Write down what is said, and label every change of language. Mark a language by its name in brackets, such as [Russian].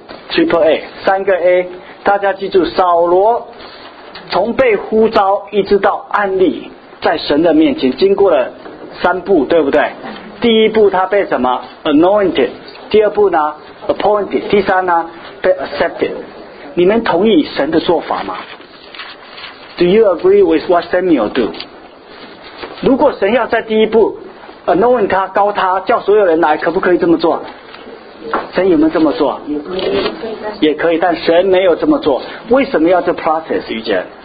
[Chinese] triple A 三个 A， 大家记住，扫罗从被呼召一直到安立在神的面前，经过了三步对不对？第一步他被什么 anointed， 第二步呢 appointed， 第三呢被 accepted。你们同意神的做法吗？ [English] Do you agree with what Samuel do？ [Chinese] 如果神要在第一步 anoint 他高他叫所有人来，可不可以这么做？神有没有这么做？也可以，但神没有这么做。为什么要这 process 遇见？